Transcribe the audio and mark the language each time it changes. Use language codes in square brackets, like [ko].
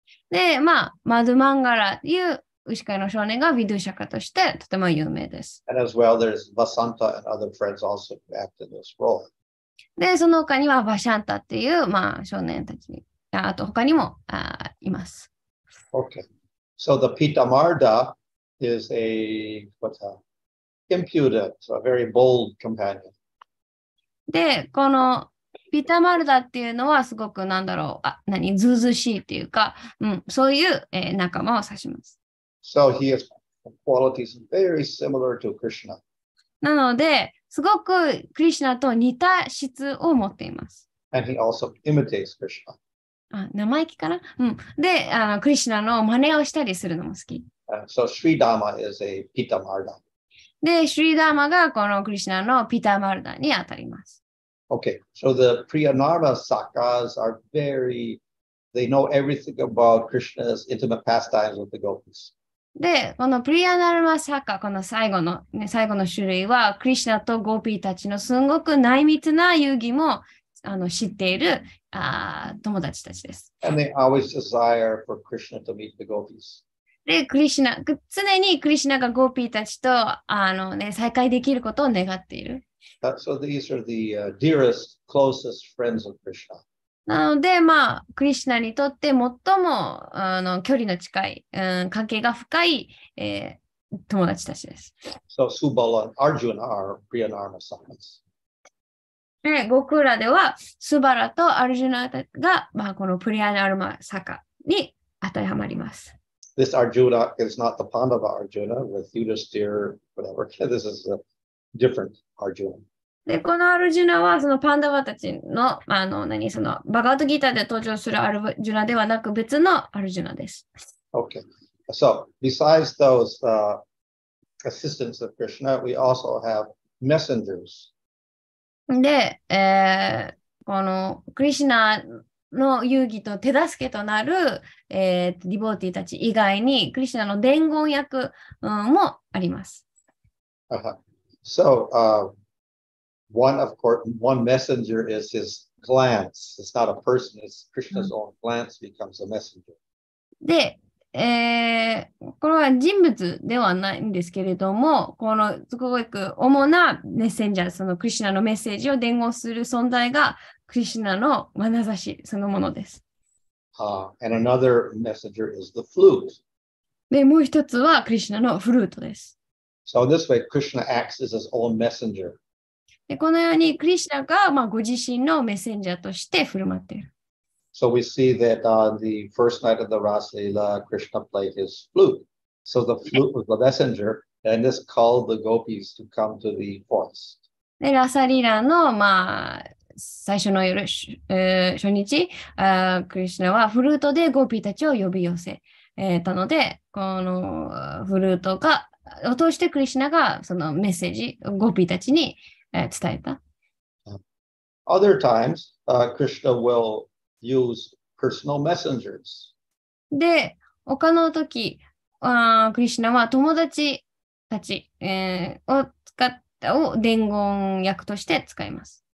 [ja] で、まあ、Madhumangala という牛飼いの少年が Vidushaka としてとても有名です。 [en] And as well, there's Vasanta and other friends also act in this role. [ja] で、その他には Vasanta っていう、まあ、少年たち、あと他にもいます。 [en] Okay. So, the Pitamarda is a, what's that? Impudent, a very bold companion. [ja] で、このピタマルダっていうのはすごくなんだろう、あ、何、ずうずうしいっていうか、うん、そういう、仲間を指します。 [en] So he has qualities very similar to Krishna. [ja] なので、すごくクリシナと似た質を持っています。 [en] And he also imitates Krishna. [ja] あ、生意気かな、うん。で、クリシナの真似をしたりするのも好き。 [en] So Sri Dharma is a Pitamarda. [ja] で、シュリダーマがこのクリシナのピタマルダに当たります。 [en] Okay, so the Priyanara Sakas are very, they know everything about Krishna's intimate pastimes with the gopis. [ja] で、このプリアナルマサカ、この最後の、ね、最後の種類は、クリシナとゴーピーたちのすごく内密な遊戯も知っている友達たちです。 [en] And they always desire for Krishna to meet the gopis. [ja] で、クリシナ、常にクリシナがゴーピーたちと、ね、再会できることを願っている。 [en] So these are the dearest, closest friends of Krishna. [ja] なので、まあ、クリシナにとって最も、距離の近い、関係が深い、友達たちです。 [en] So Subala and Arjuna are Priyanarma Sakas. [ja] で、ゴクラでは、スバラとアルジュナが、まあ、このプリアナルマサカに当たりはまります。 [en] This Arjuna is not the Pandava Arjuna with Yudhisthira, whatever. This is a different Arjuna. [ja] で、このアルジュナはそのパンダバたちの、何、その、バガードギターで登場するアルジュナではなく別のアルジュナです。 [en] Okay. So, besides those assistants of Krishna, we also have messengers. [ja] で、このクリシナの遊戯と手助けとなる、ディボーティーたち以外にクリシナの伝言役、もあります。 [en] So, one of course, one messenger is his glance. It's not a person. It's Krishna's own glance becomes a messenger. [ja] で、これは人物ではないんですけれども、このすごく主なメッセンジャー、そのクリシナのメッセージを伝言する存在が。クリシナの眼差しそのものです。 [en] And another messenger is the flute. [ja] で、もう一つはクリシナのフルートです。 [en] So in this way, Krishna acts as his own messenger. [ja] で、このようにクリシナが、まあ、ご自身のメッセンジャーとして振る舞っている。 [en] So we see that on the first night of the Rasa-lila, Krishna played his flute. So the flute was the messenger, and this called the gopis to come to the forest. [ja] で、ラサリラの、まあ、最初の夜、初日、クリシナはフルートでゴーピーたちを呼び寄せたので、このフルートが、を通してクリシナがそのメッセージ、ゴーピーたちに伝えた。 [en] Other times, Krishna will use personal messengers. [ja] で、他の時、クリシナは友達たち、を使った、を伝言役として使います。